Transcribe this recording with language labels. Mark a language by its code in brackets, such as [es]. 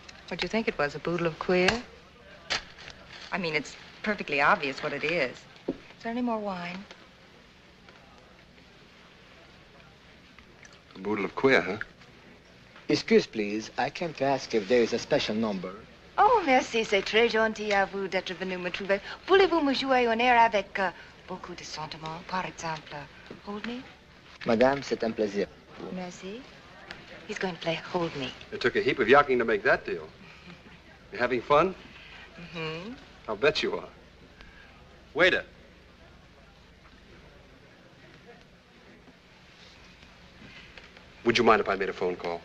[en] What'd you think it was, a boodle of queer? I mean, it's perfectly obvious what it is. Is there any more wine? A boodle of queer, huh? Excuse, please. I came to ask if there is a special number. [fr] Oh, merci. C'est très gentil à vous d'être venu me trouver. Voulez-vous me jouer un air avec beaucoup de sentiments, par exemple, Hold Me? Madame, c'est un plaisir. Merci. [en] He's going to play Hold Me. It took a heap of yacking to make that deal. You having fun? Mm-hmm. I'll bet you are. Waiter. Would you mind if I made a phone call?